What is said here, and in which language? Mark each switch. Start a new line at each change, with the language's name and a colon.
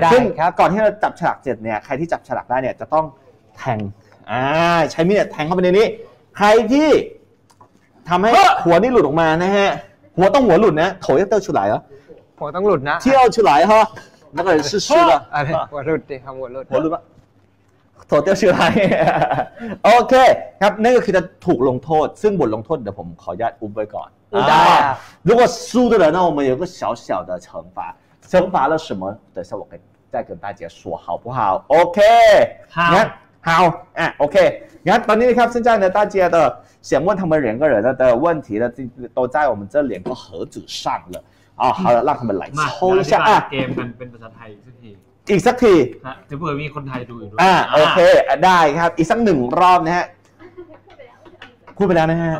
Thai: ซึ่งครับก่อนที่เราจับฉลากเสร็จเนี่ยใครที่จับฉลากได้เนี่ยจะต้องแทงใช้มีดแทงเข้าไปในนี้ใครที่ทำให้หัวนี่หลุดออกมานะฮะหัวต้องหัวหลุดนะโถยเต้าฉลายเหรอ หัวต้องหลุดนะ เที่ยวฉลายฮะนั่นก็เลยชื่อชื่อละ หัวหลุดดิครับหัวหลุด ปะโถเตี้ยวชื่ออะไรโอเคครับนั่นก็คือจะถูกลงโทษซึ่งบทลงโทษเดี๋ยวผมขออนุญาตอุบไว้ก่อน ได้
Chinese: 如果输的人呢我们有个小小的惩罚惩罚了什么等下我可以再跟大家说好不好 OK 好
Thai: งั้น
Chinese: 好OK
Thai: งั้นตอนนี้นะครับ
Chinese: 现在呢大家的想问他们两个人的问题呢都在我们这两个盒子上了好了让他们来抽一下
Thai: เกมกันเป็นภาษาไทยสักที อีกสักที จะเผื่อมีคนไทยดูอยู่ด้วย โอเคได้ครับอีกสักหนึ่งรอบนะฮะพูดไปแล้วนะฮะ